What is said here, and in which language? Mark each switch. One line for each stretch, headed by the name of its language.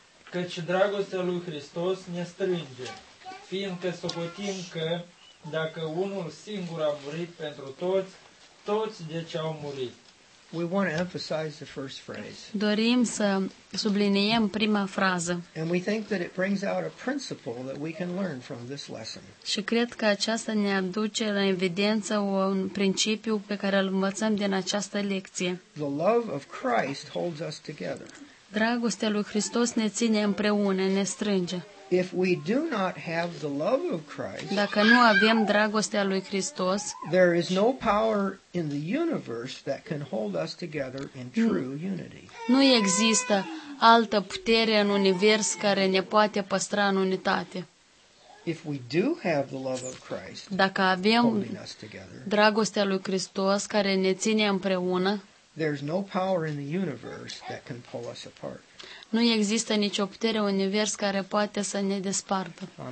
Romanian: Căci dragostea lui Hristos ne strânge, fiindcă socotim că dacă unul singur a murit pentru toți, toți deci au murit.
English: We want to emphasize the first phrase.
Romanian: Dorim să subliniem prima frază.
English: And we think that it brings out a principle that we can learn from this lesson.
Romanian: Și cred că aceasta ne aduce la evidență un principiu pe care îl învățăm din această lecție.
English: The love of Christ holds us together.
Romanian: Dragostea lui Hristos ne ține împreună, ne strânge.
English: If we do not have the love of Christ,
Romanian: dacă nu avem dragostea lui Hristos,
English: there is no power in the universe that can hold us together in true unity.
Romanian: Nu există altă putere în univers care ne poate păstra în unitate.
English: If we do have the love of Christ,
Romanian: dacă avem
English: holding us together,
Romanian: dragostea lui Hristos care ne ține împreună,
English: there's no power in the universe that can pull us apart.
Romanian: Nu există nicio putere în univers care poate să ne despartă.